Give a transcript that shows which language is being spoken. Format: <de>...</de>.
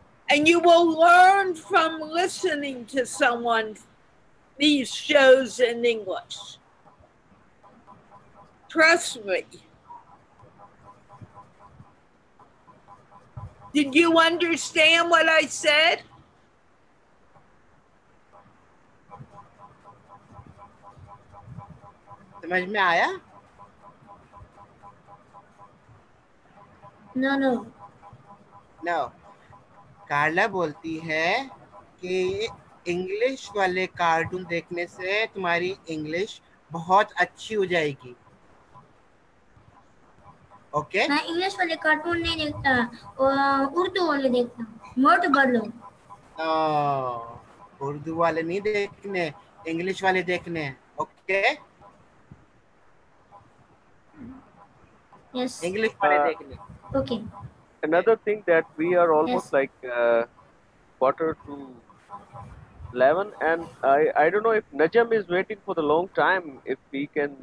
<en>And you will learn from listening to someone these shows in English. Trust me. Did you understand what I said?</en> <hi>समझ में आया?</hi> <en>No.</en> <hi>Carla बोलती है कि English वाले cartoon देखने से तुम्हारी English बहुत अच्छी हो जाएगी.</hi> <en>Okay?</en> <hi>मैं English वाले cartoon नहीं देखता, Urdu वाले देखता, मोट बोलो. Oh, Urdu वाले नहीं देखने, English वाले देखने.</hi> <en>Okay? Yes.</en> <hi>English वाले देखने.</hi> <en>Okay. Another thing that we are almost yes. like quarter to 11 and I don't know if Najam is waiting for the long time if we can</en>